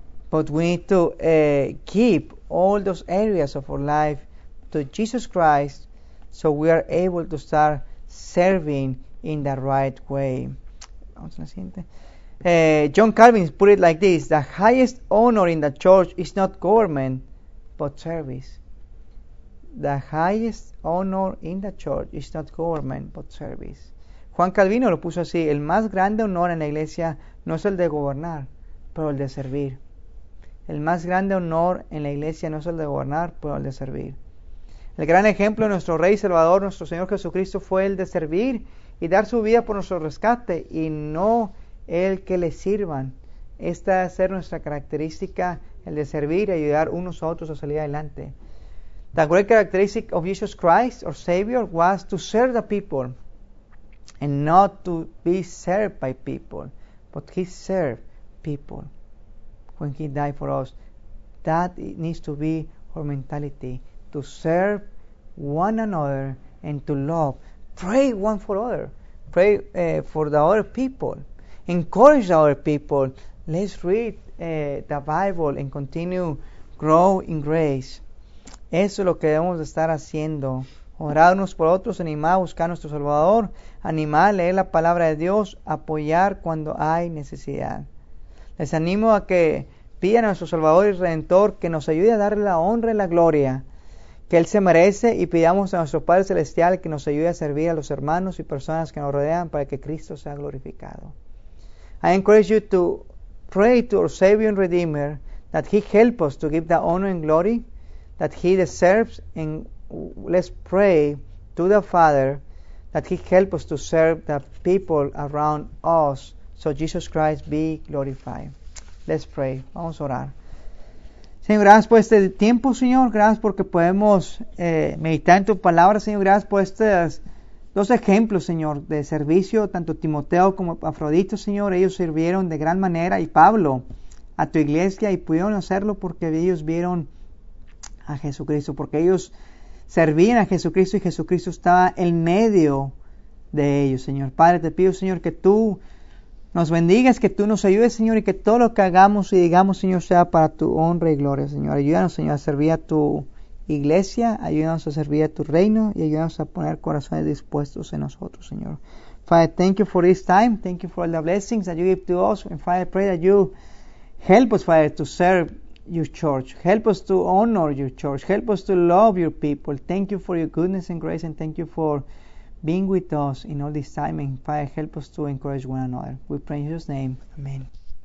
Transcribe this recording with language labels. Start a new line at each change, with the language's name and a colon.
English: But we need to keep all those areas of our life to Jesus Christ so we are able to start serving in the right way.
Spanish: Vamos a la siguiente.
English: John Calvin put it like this: the highest honor in the church is not government, but service. The highest honor in the church is not government, but service.
Spanish: Juan Calvino lo puso así: el más grande honor en la iglesia no es el de gobernar, pero el de servir. El más grande honor en la iglesia no es el de gobernar, pero el de servir. El gran ejemplo de nuestro Rey y Salvador, nuestro Señor Jesucristo, fue el de servir y dar su vida por nuestro rescate y no el que le sirvan. Esta debe ser nuestra característica, el de servir y ayudar unos a otros a salir adelante.
English: The great characteristic of Jesus Christ, our Savior, was to serve the people and not to be served by people, but He served people when He died for us. That needs to be our mentality, to serve one another and to love. Pray one for other. Pray for the other people. Encourage the other people. Let's read the Bible and continue grow in grace.
Spanish: Eso es lo que debemos de estar haciendo. Orar unos por otros, animar a buscar a nuestro Salvador, animar a leer la palabra de Dios, apoyar cuando hay necesidad. Les animo a que pidan a nuestro Salvador y Redentor que nos ayude a darle la honra y la gloria que Él se merece y pidamos a nuestro Padre Celestial que nos ayude a servir a los hermanos y personas que nos rodean para que Cristo sea glorificado.
English: I encourage you to pray to our Savior and Redeemer that He help us to give the honor and glory that He deserves, and let's pray to the Father that He help us to serve the people around us so Jesus Christ be glorified. Let's pray.
Spanish: Vamos a orar. Señor, gracias por este tiempo, Señor. Gracias porque podemos meditar en tu palabra, Señor. Gracias por estas dos ejemplos, Señor, de servicio, tanto Timoteo como Epafrodito, Señor. Ellos sirvieron de gran manera, y Pablo, a tu iglesia, y pudieron hacerlo porque ellos vieron a Jesucristo, porque ellos servían a Jesucristo y Jesucristo estaba en medio de ellos, Señor. Padre, te pido, Señor, que tú nos bendigas, que tú nos ayudes, Señor, y que todo lo que hagamos y digamos, Señor, sea para tu honra y gloria, Señor. Ayúdanos, Señor, a servir a tu iglesia, ayúdanos a servir a tu reino y ayúdanos a poner corazones dispuestos en nosotros, Señor.
English: Father, thank you for this time, thank you for all the blessings that you give to us, and Father, I pray that you help us, Father, to serve your church, help us to honor your church, help us to love your people. Thank you for your goodness and grace, and thank you for being with us in all this time, and Father, help us to encourage one another. We pray in Jesus' name. Amen.